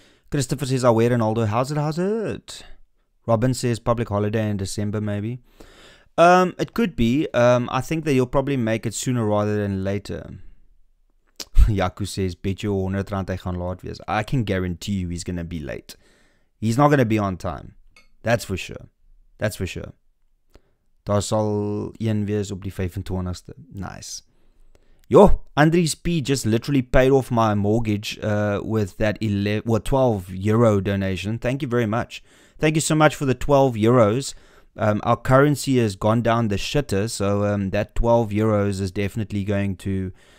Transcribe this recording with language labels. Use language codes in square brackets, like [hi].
[en] Christopher says, I wear an Aldo. How's it? Robin says, public holiday in December, maybe. It could be. I think that you'll probably make it sooner rather than later. Yaku says, bet you 100 rand [af] hy gaan laat wees. [en] I can guarantee you he's going to be late. He's not going to be on time. That's for sure. [af] Daar sal een wees op die 25ste. [en] Nice. Yo, Andries P just literally paid off my mortgage with that 12 euro donation. Thank you very much. Thank you so much for the 12 euros. Our currency has gone down the shitter, so that 12 euros is definitely going to